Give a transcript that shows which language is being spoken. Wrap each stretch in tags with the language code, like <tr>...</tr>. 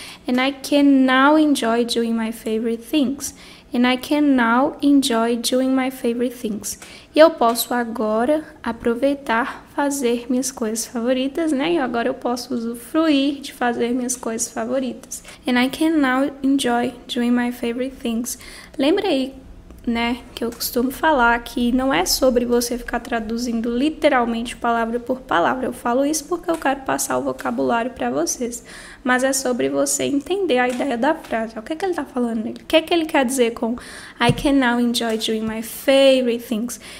<en>And I can now enjoy doing my favorite things. And I can now enjoy doing my favorite things.</en> <pt>E eu posso agora aproveitar fazer minhas coisas favoritas, né? E agora eu posso usufruir de fazer minhas coisas favoritas.</pt> <en>And I can now enjoy doing my favorite things.</en> <pt>Lembra aí, né, que eu costumo falar que não é sobre você ficar traduzindo literalmente palavra por palavra. Eu falo isso porque eu quero passar o vocabulário para vocês. Mas é sobre você entender a ideia da frase. O que é que ele tá falando? O que é que ele quer dizer com</pt> <en>I can now enjoy doing my favorite things?</en>